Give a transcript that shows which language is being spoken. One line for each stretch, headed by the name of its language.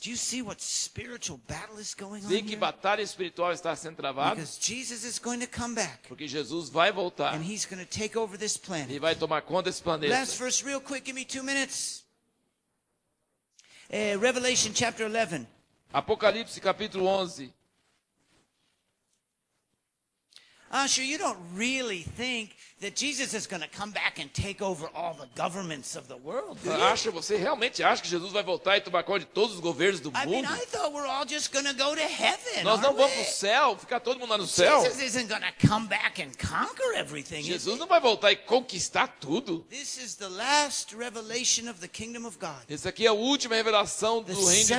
English: Do you see what spiritual battle is going on?
Portuguese: Vê que batalha espiritual está sendo travada.
English: Because Jesus is going to come back.
Portuguese: Porque Jesus vai voltar.
English: And he's going to take over this planet.
Portuguese: E vai tomar conta desse planeta.
English: Last verse, real quick, give me 2 minutes. Revelation chapter 11.
Portuguese: Apocalipse capítulo 11.
English: Asher, you don't really think that Jesus is going to come back and take over all the governments of the world, do you?
Portuguese: Asher, você realmente acha que Jesus vai voltar e tomar conta de todos os governos do mundo?
English: I mean, I thought we're all just going to go to heaven.
Portuguese: Nós não vamos para o céu, ficar todo mundo lá no céu.
English: Jesus isn't going to come back and conquer everything.
Portuguese: Jesus não vai voltar e conquistar tudo.
English: This is the last revelation of the kingdom of God.
Portuguese: Essa aqui é a última revelação do reino de Deus.